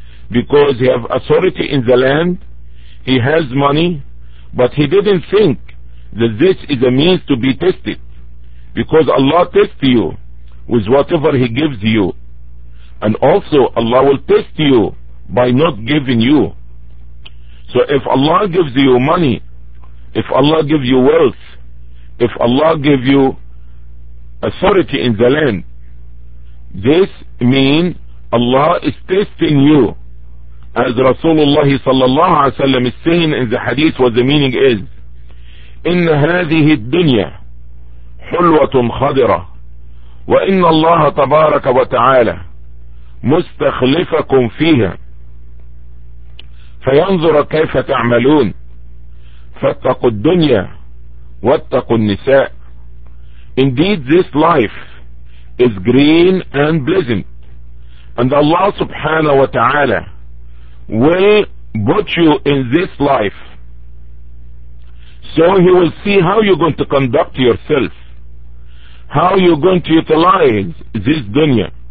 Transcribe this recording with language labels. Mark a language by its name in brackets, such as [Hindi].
[English] because he have authority in the land, he has money, but he didn't think that this is a means to be tested, because Allah tests you with whatever he gives you, and also Allah will test you by not giving you. So if Allah gives you money, if Allah gives you wealth, if Allah gives you authority in the land, this means Allah is testing you. As Rasulullah sallallahu alayhi wa sallam is saying in the hadith, what the meaning is, [Arabic] إِنَّ هَذِهِ الدُّنْيَا حُلْوَةٌ خَضِرَةٌ وَإِنَّ اللَّهَ تَبَارَكَ وَتَعَالَى مُسْتَخْلِفَكُمْ فِيهَا فَيَنْظُرَ كَيْفَ تَعْمَلُونَ فَاتَّقُوا الدُّنْيَا وَاتَّقُوا النِّسَاءِ. [English] Indeed, this life is green and pleasant, and Allah subhanahu wa ta'ala will put you in this life, so he will see how you're going to conduct yourself, how you're going to utilize this dunya.